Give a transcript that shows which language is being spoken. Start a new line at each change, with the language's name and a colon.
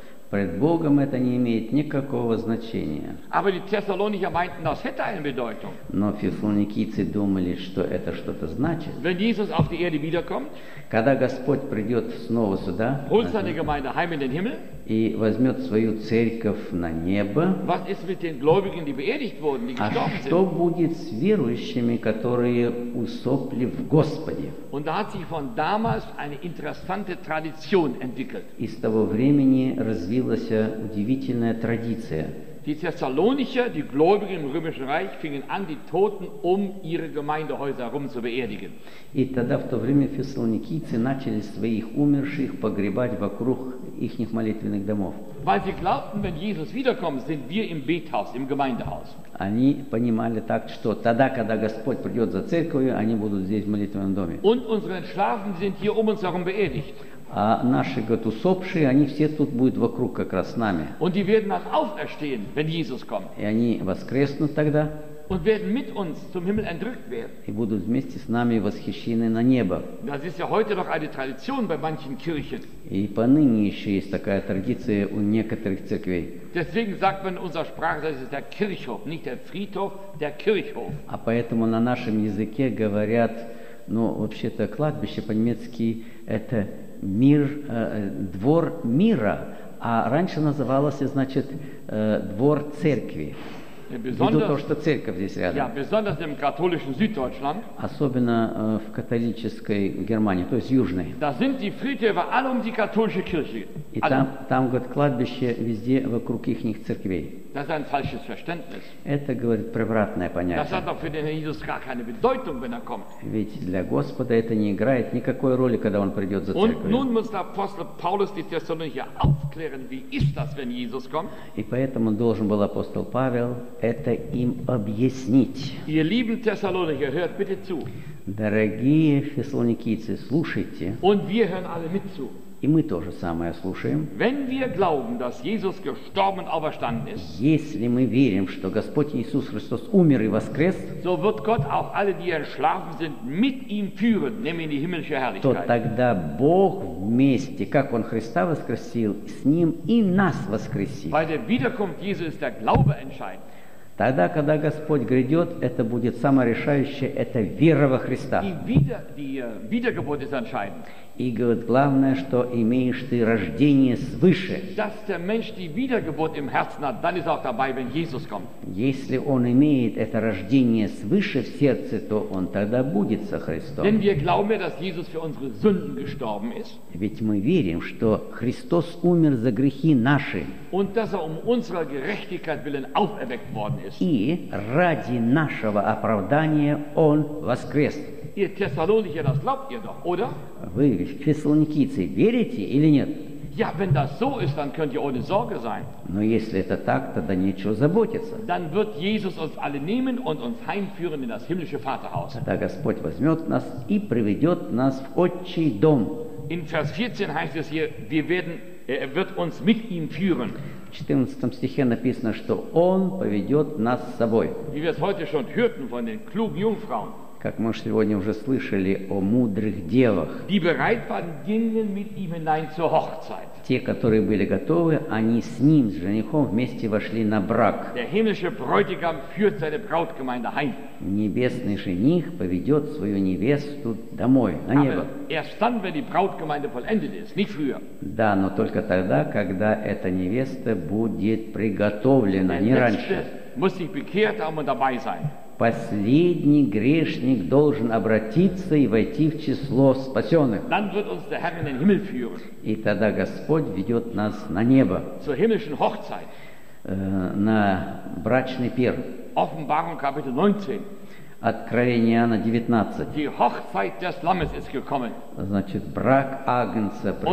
Russian: Пред Богом это не имеет никакого значения.
German: Aber die Thessalonicher meinten, das hätte eine Bedeutung.
Russian: Но фессалоникийцы думали, что это что-то значит.
German: Wenn Jesus auf die Erde wiederkommt,
Russian: когда Господь придет снова сюда,
German: holt seine Gemeinde heim in den Himmel,
Russian: и возьмет свою церковь на небо,
German: was ist mit den Gläubigen, die beerdigt wurden, die gestorben sind?
Russian: А что будет с верующими, которые усопли в Господе?
German: Und da hat sich von damals eine interessante Tradition entwickelt.
Russian: И с того времени развилась удивительная традиция.
German: Die Thessalonicher, die Gläubigen im Römischen Reich, fingen an, die Toten um ihre Gemeindehäuser herum zu beerdigen.
Russian: И тогда в то время фессалоникийцы начали своих умерших погребать вокруг ихних молитвенных домов.
German: Weil sie glaubten, wenn Jesus wiederkommt, sind wir im Bethaus, im Gemeindehaus.
Russian: Они понимали так, что тогда, когда Господь придет за церковью, они будут здесь в молитвенном доме.
German: Und unsere Entschlafen sind hier um uns herum beerdigt.
Russian: А наши, говорит, усопшие, они все тут будут вокруг как раз с нами.
German: Und die werden auch auferstehen, wenn Jesus kommt.
Russian: И они воскреснут тогда.
German: Und werden mit uns zum Himmel entrückt werden.
Russian: И будут вместе с нами восхищены на небо.
German: Das ist ja heute noch eine Tradition bei manchen Kirchen.
Russian: И поныне еще есть такая традиция у некоторых церквей.
German: Deswegen sagt man in unserer Sprache, das ist der Kirchhof, nicht der Friedhof, der Kirchhof.
Russian: А поэтому на нашем языке говорят, ну, вообще-то кладбище по-немецки это мир, двор мира, а раньше называлось, значит, двор церкви. ввиду того, что церковь здесь рядом.
German: Ja, besonders im katholischen Süddeutschland,
Russian: особенно в католической Германии, то есть южной.
German: Da sind die Friedhöfer all um die katholische Kirche.
Russian: И там, там говорят, кладбище везде вокруг их церквей.
German: Das ist ein falsches Verständnis.
Russian: Это, говорит, превратное понятие.
German: Das hat auch für den Jesus gar keine Bedeutung, wenn er kommt.
Russian: Ведь для Господа это не играет никакой роли, когда он придет за
German: Und
Russian: церковью.
German: Nun muss der Apostel Paulus die Thessalonicher aufklären, wie ist das, wenn Jesus kommt?
Russian: И поэтому должен был апостол Павел это им объяснить.
German: Ihr lieben Thessalonicher, hört bitte zu.
Russian: Дорогие фессалоникийцы, слушайте.
German: Und wir hören alle mit zu.
Russian: И мы тоже самое слушаем.
German: Wenn wir glauben, dass Jesus gestorben und auferstanden ist,
Russian: если мы верим, что Господь Иисус Христос умер и воскрес,
German: so wird Gott auch alle, die erschlafen sind, mit ihm führen, nämlich in die himmlische Herrlichkeit.
Russian: То тогда Бог вместе, как Он Христа воскресил, с Ним и нас воскресит.
German: Bei der Wiederkunft Jesu ist der Glaube entscheidend.
Russian: Тогда, когда Господь грядет, это будет саморешающее, это вера во Христа.
German: Wiedergeburt ist entscheidend.
Russian: И говорит, главное, что имеешь ты рождение свыше.
German: Dass der Mensch die Wiedergeburt im Herzen hat, dann ist auch dabei, wenn Jesus kommt.
Russian: Если он имеет это рождение свыше в сердце, то он тогда будет со Христом.
German: Denn wir glauben ja, dass Jesus für unsere Sünden gestorben ist.
Russian: Ведь мы верим, что Христос умер за грехи наши.
German: Und dass er um unserer Gerechtigkeit willen auferweckt worden ist.
Russian: И ради нашего оправдания он воскрес.
German: Ihr Thessalonicher, das glaubt ihr doch, oder?
Russian: Вы, фессалоникийцы, верите или нет?
German: Ja, wenn das so ist, dann könnt ihr ohne Sorge sein.
Russian: Но если это так, тогда нечего заботиться.
German: Dann wird Jesus uns alle nehmen und uns heimführen in das himmlische Vaterhaus.
Russian: Тогда Господь возьмет нас и приведет нас в Отчий дом.
German: In Vers 14 heißt es hier, wir werden, er wird uns mit ihm führen.
Russian: В 14 стихе написано, что Он поведет нас с собой.
German: Wie wir es heute schon hörten von den klugen Jungfrauen.
Russian: Как мы сегодня уже слышали о мудрых девах.
German: Die bereit waren, gingen mit ihm hinein zur Hochzeit.
Russian: Те, которые были готовы, они с ним, с женихом, вместе вошли на брак.
German: Der himmlische Bräutigam führt seine Brautgemeinde heim.
Russian: Небесный жених поведет свою невесту домой, на
German: Aber
Russian: небо.
German: Erst dann, wenn die Brautgemeinde vollendet ist, nicht früher.
Russian: Да, но только тогда, когда эта невеста будет приготовлена,
German: Der
Russian: не раньше.
German: Muss sich bekehrt haben und dabei sein.
Russian: Последний грешник должен обратиться и войти в число спасенных.
German: Dann wird uns der Herr in den Himmel führen.
Russian: И тогда Господь ведет нас на небо.
German: Zur himmlischen Hochzeit.
Russian: На брачный пир.
German: Offenbarung Kapitel 19.
Russian: Откровение Иоанна 19.
German: Die Hochzeit des Lammes ist gekommen.
Russian: Значит, брак Агнца пришел.